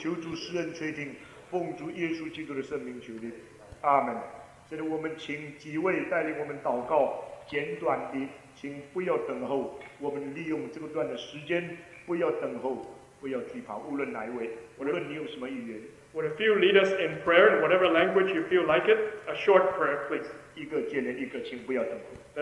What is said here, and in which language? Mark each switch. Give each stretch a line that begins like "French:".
Chinese: 求主施恩垂听，奉主耶稣基督的圣名求你，阿们。现在我们请几位带领我们祷告，简短的，请不要等候。我们利用这个段的时间，不要等候，不要惧怕。无论哪一位，无论你有什么语言
English: ，Would a few lead us in prayer in whatever language you feel like it? A short prayer, please.
Chinese: 一个接连一个，请不要等候。